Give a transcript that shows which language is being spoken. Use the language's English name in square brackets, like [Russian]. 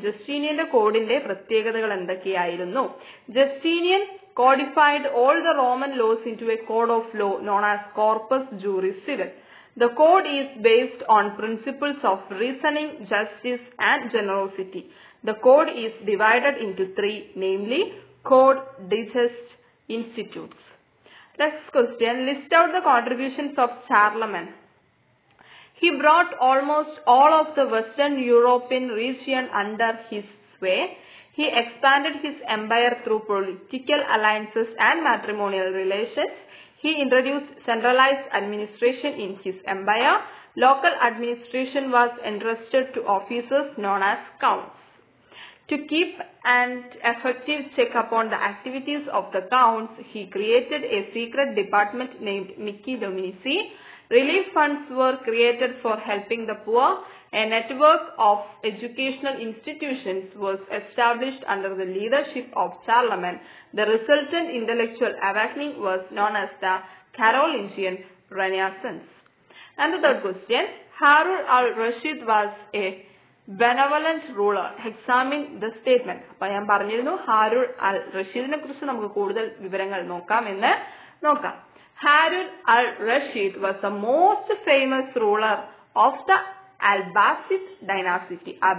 [Malayalam] ജസ്റ്റീനിയന്റെ കോഡിന്റെ പ്രത്യേകതകൾ എന്തൊക്കെയായിരുന്നു? [English] Justinian codified all the Roman laws into a code of law known as Corpus Juris Civil. The code is based on principles of reasoning justice and generosity. The code is divided into 3, namely code, digest, institutes. Next question, list out the contributions of Charlemagne. He brought almost all of the Western European region under his sway. He expanded his empire through political alliances and matrimonial relations. He introduced centralized administration in his empire. Local administration was entrusted to officers known as counts. To keep an effective check upon the activities of the counts, he created a secret department named Mickey Dominici. Relief funds were created for helping the poor. A network of educational institutions was established under the leadership of Charlemagne. The resultant intellectual awakening was known as the Carolingian Renaissance. And the third question, Harun al-Rashid was a benevolent ruler examine the statement. [Malayalam] അപ്പൊ ഞാൻ പറഞ്ഞിരുന്നു ഹാരുൾ അൽ റഷീദിനെ കുറിച്ച് നമുക്ക് കൂടുതൽ വിവരങ്ങൾ നോക്കാം എന്ന് നോക്കാം. [English] Harun al Rashid was the most famous ruler of the Abbasid dynasty.